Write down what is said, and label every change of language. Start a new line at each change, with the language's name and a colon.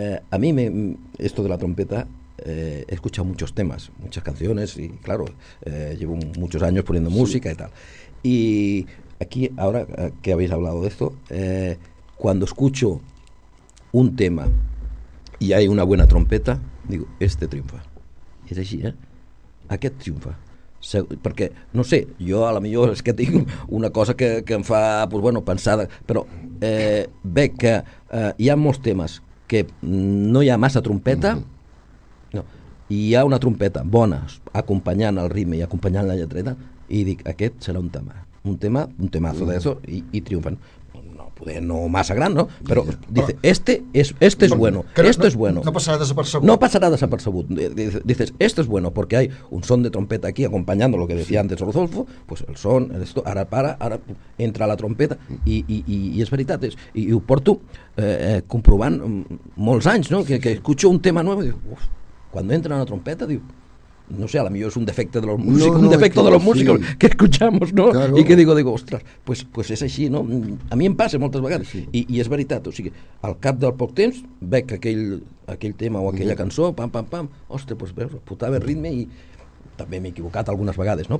Spanish: A mí, esto de la trompeta, he escuchado muchos temas, muchas canciones, y claro, llevo muchos años poniendo música, sí, y tal. Y aquí, ahora que habéis hablado de esto, cuando escucho un tema y hay una buena trompeta, digo, este triunfa. Es así, ¿eh?
Catalan: Aquest triunfa. Perquè, no sé, jo a la millor és que tinc una cosa que em fa, pues bueno, pensada, però veig que hi ha molts temes que no hi ha massa trompeta, no, i hi ha una trompeta bona acompanyant el ritme i acompanyant la lletreta, i dic, aquest serà un tema, un temazo d'això, i triomfen. No massa gran, no? Però
Spanish: dice, este es bueno, esto es bueno.
Catalan: No passarà desapercebut.
Spanish: Dices, este es bueno, porque hay un son de trompeta aquí acompañando lo que decía antes Rodolfo, pues el son, esto, ahora entra la trompeta, y
Catalan: es veritat, y ho porto comprovant molts anys,
Spanish: no? Que escucho un tema nuevo, y digo, uf, cuando entra la trompeta, digo, no sé, a lo mejor es un defecto de los músicos, sí, que escuchamos, ¿no? Claro. Y que digo, ostras, pues es así, ¿no? A mí me pasa muchas veces, sí.
Catalan: Y es veritat, o sigui, al cap del poc temps veig aquell tema o aquella cançó, pam, pam, pam, ostres, pues veus, putava el ritme, y també m'he equivocat algunes vegades, ¿no?